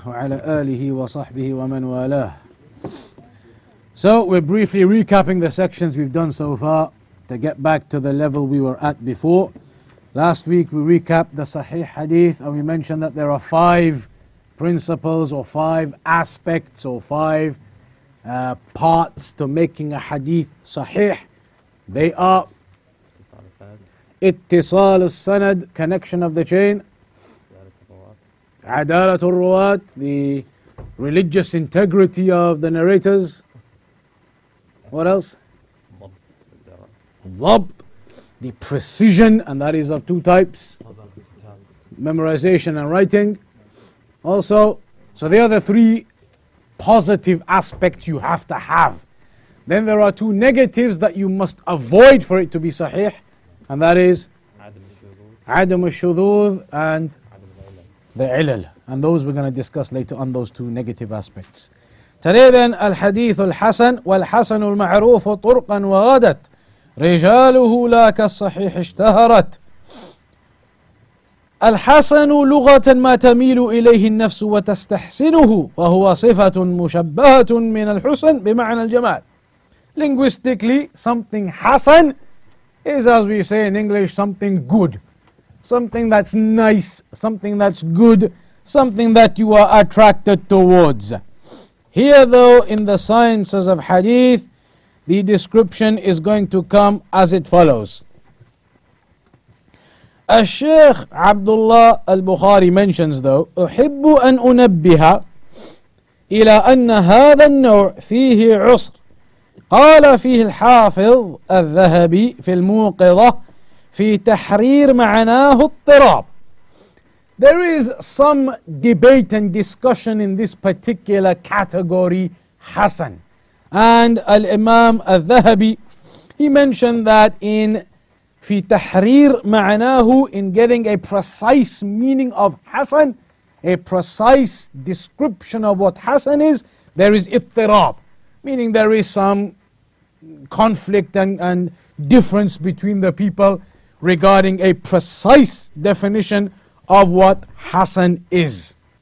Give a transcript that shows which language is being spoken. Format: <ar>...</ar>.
<ar>وعلى آله وصحبه ومن والاه.</ar> <en>So we're briefly recapping the sections we've done so far to get back to the level we were at before. Last week we recapped the Sahih Hadith and we mentioned that there are five principles or five aspects or five parts to making a Hadith Sahih. They are</en> <ar>اتصال السند,</ar> <en>connection of the chain,</en> <ar>عدالة الرواة,</ar> <en>the religious integrity of the narrators. What else? ضبط, the precision, and that is of two types, memorization and writing. Also, so they are the three positive aspects you have to have. Then there are two negatives that you must avoid for it to be sahih, and that is عدم الشذوذ and the علل. And those we're going to discuss later on, those two negative aspects. Today then,</en> <ar>الحديث الحسن والحسن المعروف طرقا وغدت رجاله لا كالصحيح اشتهرت. الحسن لغة ما تميل إليه النفس وتستحسنه وهو صفة مشبهة من الحسن بمعنى الجمال.</ar> <en>Linguistically, something حسن is, as we say in English, something good. Something that's nice, something that's good, something that you are attracted towards. Here though, in the sciences of hadith, the description is going to come as it follows.</en> <ar>الشيخ عبد الله البخاري</ar> <en>mentions though,</en> <ar>أحب أن أنبه إلى أن هذا النوع فيه عصر. قال فيه الحافظ الذهبي في الموقظة في تحرير معناه اضطراب.</ar> <en>There is some debate and discussion in this particular category, Hassan. And Al-Imam Al-Dhahabi, he mentioned that in</en> <ar>في تحرير معناه,</ar> <en>in getting a precise meaning of Hassan, a precise description of what Hassan is, there is اضطراب, meaning there is some conflict and difference between the people regarding a precise definition of what Hassan is.</en>